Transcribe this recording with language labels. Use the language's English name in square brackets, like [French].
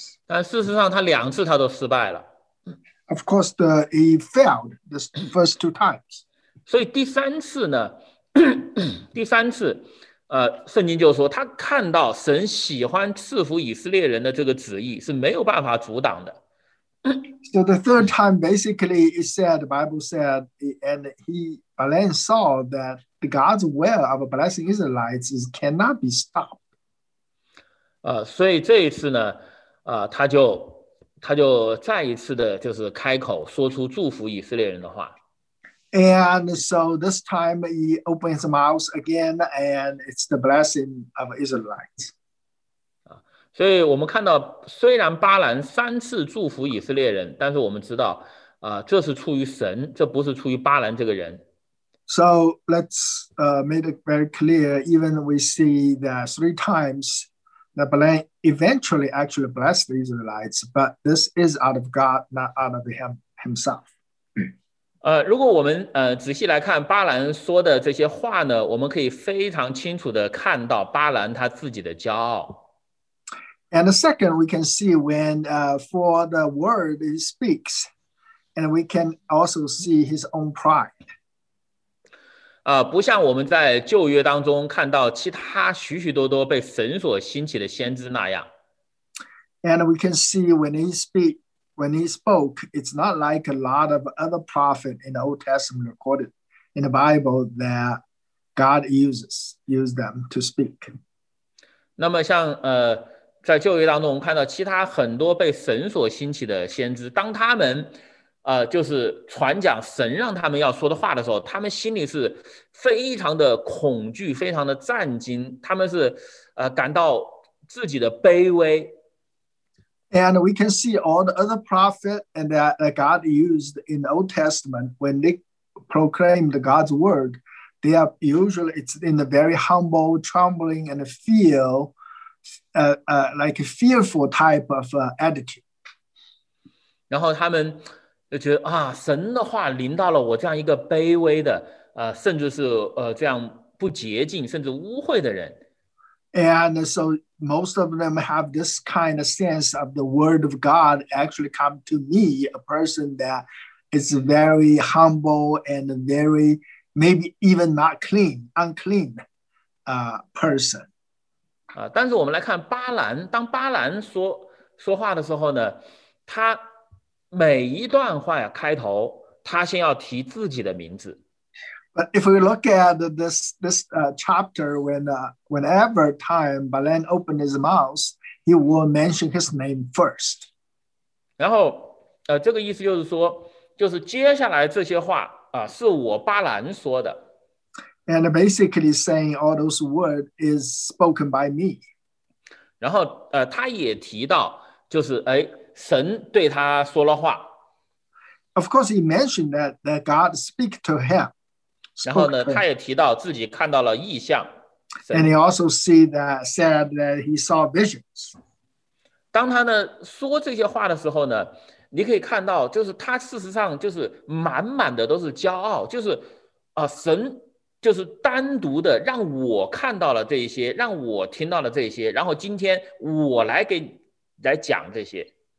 [Chinese] 但事实上，他两次他都失败了。 [English] Of course, he failed the first two times. [Chinese] 所以第三次呢，第三次，圣经就说他看到神喜欢赐福以色列人的这个旨意是没有办法阻挡的。 [English] So the third time, basically, it said the Bible said, and he Balaam saw that the God's will of blessing Israelites is cannot be stopped. [Chinese] 所以这一次呢，他就再一次的就是开口说出祝福以色列人的话。 [English] And so this time he opens his mouth again, and it's the blessing of Israelites. [Chinese] 所以我们看到，虽然巴兰三次祝福以色列人，但是我们知道，这是出于神，这不是出于巴兰这个人。 [English] So let's make it very clear. Even we see that three times that Balaam eventually actually blessed the Israelites, but this is out of God, not out of him himself. [Chinese] 如果我们仔细来看巴兰说的这些话呢，我们可以非常清楚的看到巴兰他自己的骄傲。 [English] And the second, we can see when for the word he speaks, and we can also see his own pride. [Chinese] 不像我们在旧约当中看到其他许许多多被神所兴起的先知那样。 [English] And we can see when he speaks. When he spoke, it's not like a lot of other prophets in the Old Testament recorded in the Bible that God used them to speak. [Chinese] 那么像在旧约当中，我们看到其他很多被神所兴起的先知，当他们就是传讲神让他们要说的话的时候，他们心里是非常的恐惧，非常的战惊，他们是感到自己的卑微。 [English] And we can see all the other prophets and that God used in the Old Testament when they proclaimed God's word, they are usually it's in a very humble, trembling, and feel like a fearful type of attitude. [Chinese] 然后他们就觉得啊，神的话临到了我这样一个卑微的甚至是这样不洁净甚至污秽的人。 [English] And so most of them have this kind of sense of the word of God actually come to me, a person that is very humble and very, maybe even not clean, unclean person. [Chinese] 但是我们来看巴兰，当巴兰说话的时候呢，他每一段话开头，他先要提自己的名字。 [English] But if we look at this chapter, whenever time Balan opened his mouth, he will mention his name first. [Chinese] 然后，这个意思就是说，就是接下来这些话啊，是我巴兰说的。 [English] And basically saying all those words is spoken by me. [Chinese] 然后，他也提到，就是哎，神对他说了话。 [English] Of course, he mentioned that God speak to him. [Chinese] 然后呢，他也提到自己看到了异象。 [English] And he also said that he saw visions. [Chinese] 当他呢说这些话的时候呢，你可以看到，就是他事实上就是满满的都是骄傲，就是啊，神就是单独的让我看到了这些，让我听到了这些，然后今天我来给来讲这些。